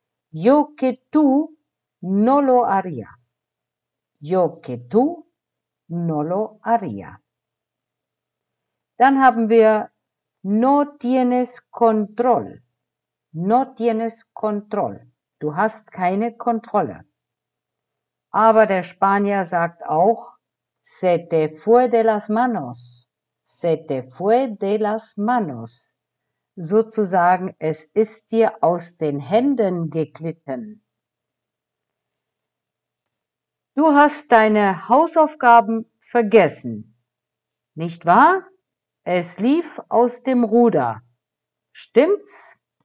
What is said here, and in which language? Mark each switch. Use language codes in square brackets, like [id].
[es] Yo que tú no lo haría. Yo que tú no lo haría. [de] Dann haben wir [es] no tienes control. No tienes control. [de] Du hast keine Kontrolle. Aber der Spanier sagt auch [es] se te fue de las manos. Se te fue de las manos. [de] Sozusagen, es ist dir aus den Händen geglitten. Du hast deine Hausaufgaben vergessen. Nicht wahr? Es lief aus dem Ruder. Stimmt's?